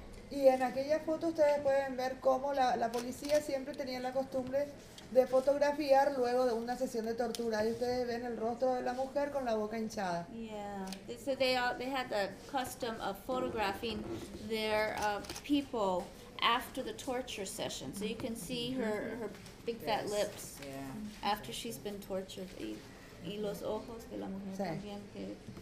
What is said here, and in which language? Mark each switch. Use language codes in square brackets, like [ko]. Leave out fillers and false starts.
[es] Y en aquella foto ustedes pueden ver cómo la policía siempre tenía la costumbre de fotografiar luego de una sesión de tortura. Y ustedes ven el rostro de la mujer con la boca hinchada. [en] Yeah, so they had the custom of photographing their people after the torture session. So you can see her big fat lips after she's been tortured. [es] Y los ojos de la mujer también que...